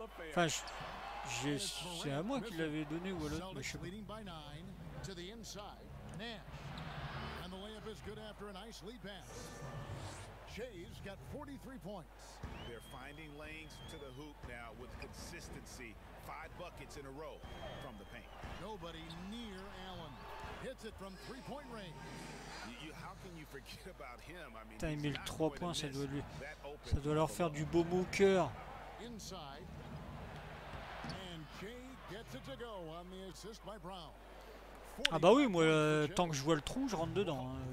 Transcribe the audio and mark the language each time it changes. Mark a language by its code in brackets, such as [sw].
[fr] Enfin, c'est à moi qu'il l'avait donné ou à l'autre, mais je sais pas. [en] Leading by 9 to the inside. Nash. And the layup is good after a nice lead pass. Shea's got 43 points. They're finding lanes to the hoop now with consistency. 5 buckets in a row from the paint. Nobody near Allen. Hits it from 3-point range. How can you forget about him? I mean, [fr] t'as mis 3 points, ça doit lui, ça doit leur faire du baume au cœur. [en] Inside. And Shea gets it to go on the assist by Brown. [fr] Ah bah oui, moi, tant que je vois le trou, je rentre dedans.